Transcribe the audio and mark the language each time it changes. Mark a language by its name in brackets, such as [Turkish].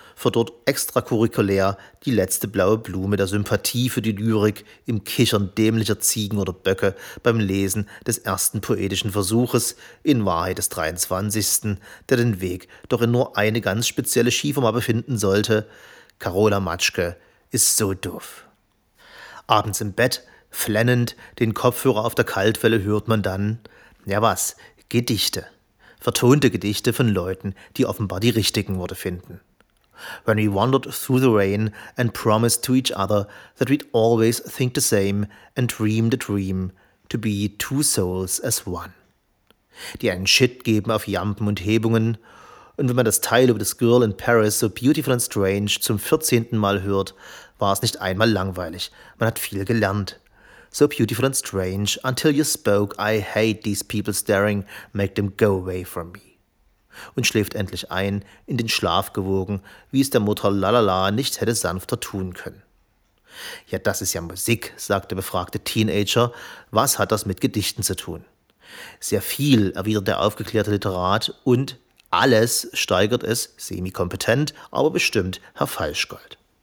[German] verdorrt extracurricular die letzte blaue Blume der Sympathie für die Lyrik im Kichern dämlicher Ziegen oder Böcke beim Lesen des ersten poetischen Versuches, in Wahrheit des 23., der den Weg doch in nur eine ganz spezielle Schiefermappe finden sollte. Carola Matschke ist so doof. Abends im Bett, flennend, den Kopfhörer auf der Kaltwelle, hört man dann, ja was, Gedichte. Vertonte Gedichte von Leuten, die offenbar die richtigen Worte finden. [English] When we wandered through the rain and promised to each other that we'd always think the same and dream the dream to be two souls as one. [German] Die einen Shit geben auf Jampen und Hebungen. Und wenn man das Teil über das Girl in Paris [English] so beautiful and strange [German] zum 14. Mal hört, war es nicht einmal langweilig. Man hat viel gelernt. [English] So beautiful and strange until you spoke, I hate these people staring, make them go away from me. [German] Und schläft endlich ein, in den Schlaf gewogen, wie es der Mutter Lalala nicht hätte sanfter tun können. Ja, das ist ja Musik, sagt der befragte Teenager. Was hat das mit Gedichten zu tun? Sehr viel, erwidert der aufgeklärte Literat, und alles steigert es, semi-kompetent, aber bestimmt Herr Falschgold.